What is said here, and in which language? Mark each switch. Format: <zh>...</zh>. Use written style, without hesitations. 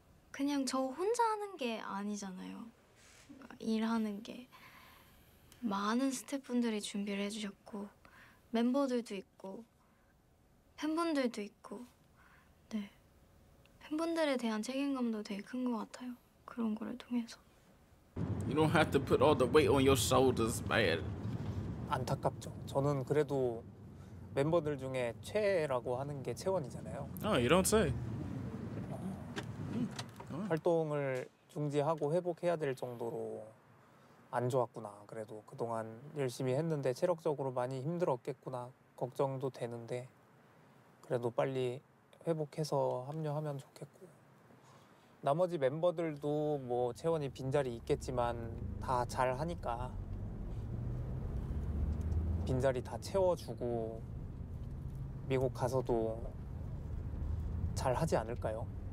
<ko>그냥 저 혼자 하는 게 아니잖아요. 일하는 게 많은 스태프분들이 준비를 해주셨고 멤버들도 있고 팬분들도 있고 네 팬분들에 대한 책임감도 되게 큰 것 같아요. 그런 거를 통해서.</ko> <en>You don't have to put all the weight on your shoulders, man.</en> <ko>안타깝죠. 저는 그래도 멤버들 중에 최애라고 하는 게 채원이잖아요.</ko> <en>No, you don't say.</en> <ko>활동을 중지하고 회복해야 될 정도로 안 좋았구나. 그래도 그동안 열심히 했는데 체력적으로 많이 힘들었겠구나 걱정도 되는데 그래도 빨리 회복해서 합류하면 좋겠고 나머지 멤버들도 뭐 채원이 빈자리 있겠지만 다 잘하니까 빈자리 다 채워주고 미국 가서도 잘하지 않을까요?</ko>